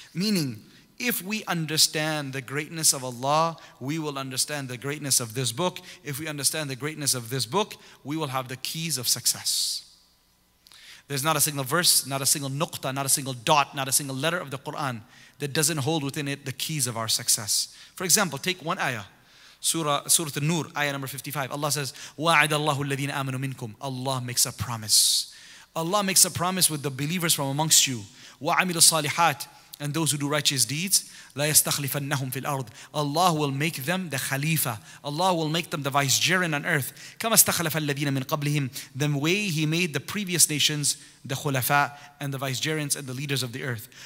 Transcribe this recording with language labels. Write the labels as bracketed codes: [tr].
[en] Meaning, if we understand the greatness of Allah, we will understand the greatness of this book. If we understand the greatness of this book, we will have the keys of success. There's not a single verse, not a single nuqta, not a single dot, not a single letter of the Quran that doesn't hold within it the keys of our success. For example, take one ayah, Surah An-Nur, ayah number 55. Allah says, [ar] وَعَدَ اللَّهُ الَّذِينَ آمَنُوا مِنْكُمْ. [en] Allah makes a promise. Allah makes a promise with the believers from amongst you. [ar] وَعَمِلُوا الصَّالِحَاتِ. [en] And those who do righteous deeds, [ar] لَا يَسْتَخْلِفَنَّهُمْ فِي الْأَرْضِ. [en] Allah will make them the Khalifa. Allah will make them the vicegerent on earth. [ar] كَمَا اسْتَخْلَفَ الَّذِينَ مِنْ قَبْلِهِمْ. [en] The way He made the previous nations, the Khulafa, and the vicegerents and the leaders of the earth.